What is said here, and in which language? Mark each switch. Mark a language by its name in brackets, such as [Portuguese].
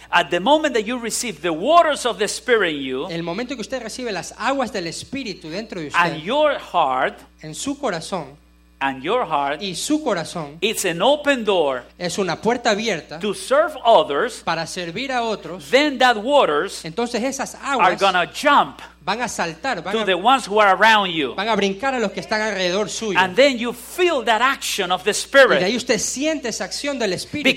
[English] At the moment that you receive the waters of the Spirit in you, [Spanish] el momento que usted recibe las aguas del Espíritu dentro de usted, [English] and your heart, [Spanish] en su corazón, [English] and your heart, [Spanish] y su corazón, [English] it's an open door, [Spanish] es una puerta abierta, [English] to serve others, [Spanish] para servir a otros, [English] then that waters, [Spanish] entonces esas aguas, [English] are gonna jump, [Spanish] van a saltar, van [English] to [Spanish] a, [English] the ones who are around you, [Spanish] van a brincar a los que están alrededor suyo, [English] and then you feel that action of the Spirit, [Spanish] y de ahí usted siente esa acción del Espíritu,